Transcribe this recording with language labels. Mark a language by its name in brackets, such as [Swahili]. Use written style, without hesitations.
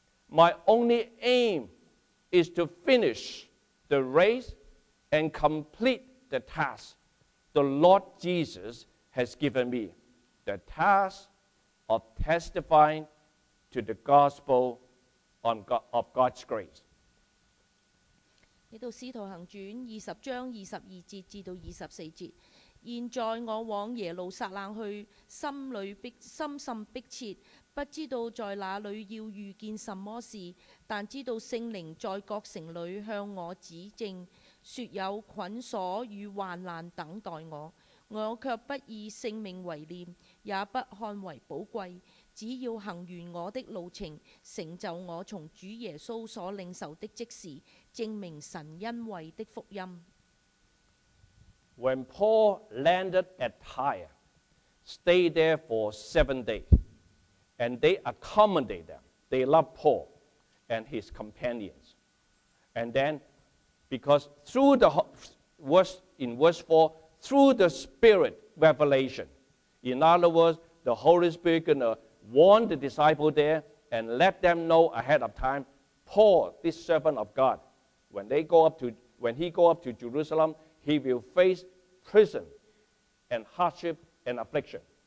[English] My only aim is to finish the race and complete the task the Lord Jesus has given me, the task of testifying to the gospel of God's grace. [Chinese] 这里《使徒行传》二十章二十二节至到二十四节，现在我往耶路撒冷去，心甚迫切，不知道在那里要遇见什么事，但知道圣灵在各城里向我指证，说有捆锁与患难等待我。我却不以性命为念，也不看为宝贵，只要行完我的路程，成就我从主耶稣所领受的职事，证明神恩惠的福音。 [English] When Paul landed at Tyre, stayed there for 7 days, and they accommodated them. They loved Paul and his companions. And then, because through the verse in verse 4, through the Spirit revelation, in other words, the Holy Spirit gonna warn the disciple there and let them know ahead of time, Paul, this servant of God, when he go up to Jerusalem, he will face prison and hardship and affliction.